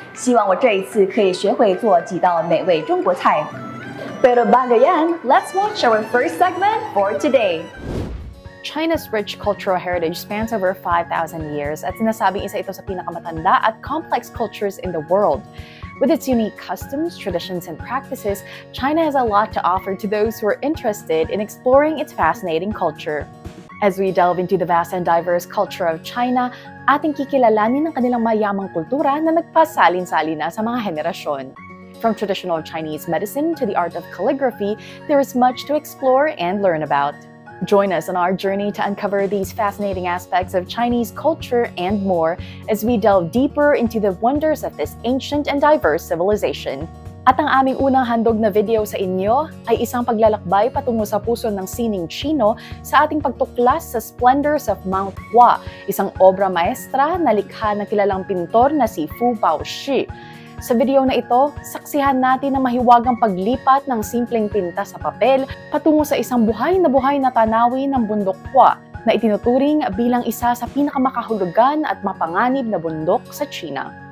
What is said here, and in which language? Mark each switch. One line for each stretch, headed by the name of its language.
Chinese: 希望我这一次可以学会做几道美味中国菜.
Filipino: Pero bago yan,
English: let's watch our first segment for today. China's rich cultural heritage spans over 5,000 years
Filipino: at sinasabing isa ito sa pinakamatanda at
English: complex cultures in the world. With its unique customs, traditions, and practices, China has a lot to offer to those who are interested in exploring its fascinating culture. As we delve into the vast and diverse culture of China,
Filipino: ating kikilalanin ang kanilang mayamang kultura na nagpasalin-salin na sa mga henerasyon.
English: From traditional Chinese medicine to the art of calligraphy, there is much to explore and learn about. Join us on our journey to uncover these fascinating aspects of Chinese culture and more as we delve deeper into the wonders of this ancient and diverse civilization.
Filipino: At ang aming unang handog na video sa inyo ay isang paglalakbay patungo sa puso ng sining Chino sa ating pagtuklas sa
English: splendors of Mount Hua,
Filipino: isang obra maestra na likha ng kilalang pintor na si Fu Baoshi. Sa video na ito, saksihan natin ang mahiwagang paglipat ng simpleng tinta sa papel patungo sa isang buhay na tanawin ng bundok Hua na itinuturing bilang isa sa pinakamakahulugan at mapanganib na bundok sa China.